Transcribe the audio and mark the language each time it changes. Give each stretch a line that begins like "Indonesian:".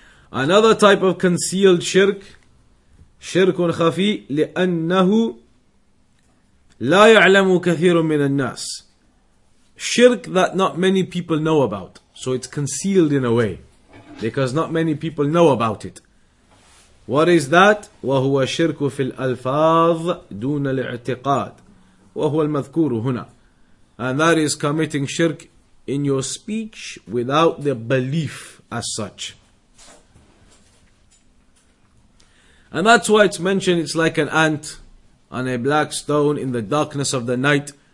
English: Another type of concealed shirk,
Arabic: shirkun khafi, لأنه لا يعلم كثير من الناس.
English: Shirk that not many people know about. So it's concealed in a way, because not many people know about it. What is that?
Arabic: وهو شرك في الألفاظ دون الاعتقاد. وهو المذكور هنا.
English: And that is committing shirk in your speech without the belief as such. And that's why it's mentioned, it's like an ant on a black stone in the darkness of the night.